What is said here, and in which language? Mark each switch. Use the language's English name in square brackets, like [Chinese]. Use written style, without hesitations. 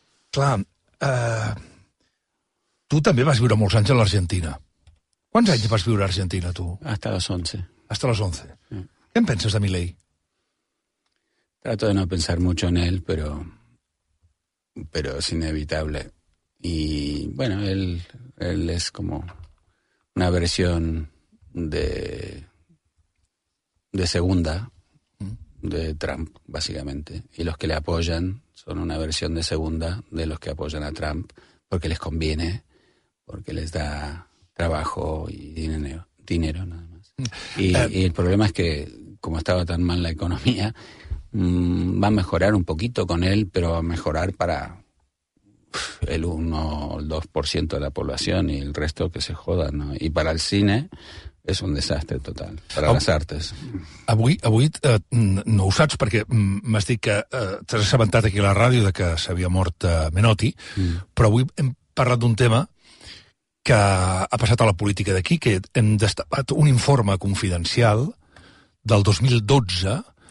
[Catalan] clar, tu també vas viure molts anys a l'Argentina. Quants anys vas viure a Argentina, tu? [Spanish] Hasta las 11. Hasta las 11. [Catalan] Sí. Què en penses de Milei? [Spanish] Trato de no pensar mucho en él, pero es inevitable. Y bueno, él es como una versión de segunda de Trump, básicamente. Y los que le apoyan son una versión de segunda de los que apoyan a Trump porque les conviene, porque les da trabajo y dinero nada más. Y el problema es que, como estaba tan mal la economía... va a mejorar un poquito con él, pero va a mejorar para el 1 o el 2% de la población y el resto que se joda, ¿no? Y para el cine es un desastre total, para las artes. [Catalan] Avui no ho saps, perquè m'has dit que t'has assabentat aquí a la ràdio de que s'havia mort Menotti, però avui hem parlat d'un tema que ha passat a la política d'aquí, que hem destapat un informe confidencial del 2012...